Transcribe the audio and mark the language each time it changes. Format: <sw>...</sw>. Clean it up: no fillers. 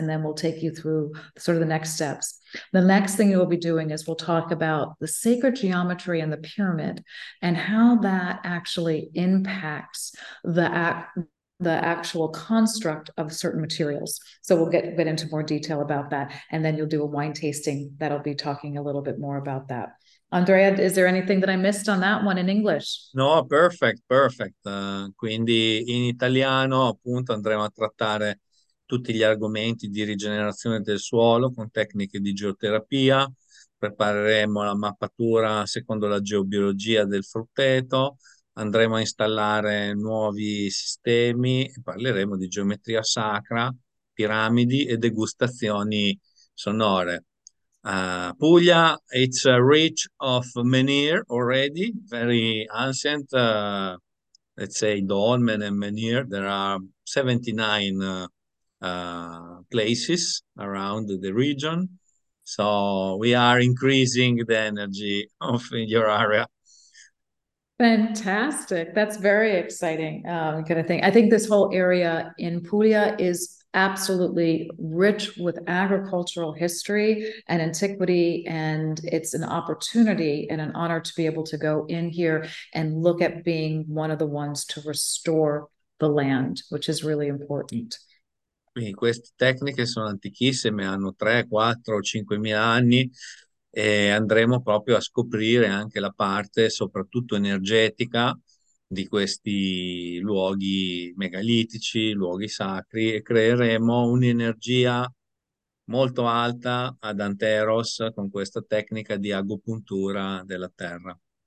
<en>And then we'll take you through sort of the next steps. The next thing we'll be doing is we'll talk about the sacred geometry and the pyramid and how that actually impacts the actual construct of certain materials. So we'll get into more detail about that. And then you'll do a wine tasting that'll be talking a little bit more about that. Andrea, is there anything that I missed on that one in English? No, perfect, perfect.</en> <it>Quindi in italiano appunto andremo a trattare tutti gli argomenti di rigenerazione del suolo con tecniche di geoterapia, prepareremo la mappatura secondo la geobiologia del frutteto, andremo a installare nuovi sistemi, parleremo di geometria sacra, piramidi e degustazioni sonore.</it> <en>Puglia, it's rich of manure already, very ancient, let's say dolmen and manure. There are 79 places around the region. So we are increasing the energy of your area. Fantastic. That's very exciting kind of thing. I think this whole area in Puglia is absolutely rich with agricultural history and antiquity, and it's an opportunity and an honor to be able to go in here and look at being one of the ones to restore the land, which is really important.</en> <it>Quindi queste tecniche sono antichissime, hanno 3, 4, 5 mila anni, e andremo proprio a scoprire anche la parte soprattutto energetica di questi luoghi megalitici, luoghi sacri, e creeremo un'energia molto alta ad Anteros con questa tecnica di agopuntura della terra.</it>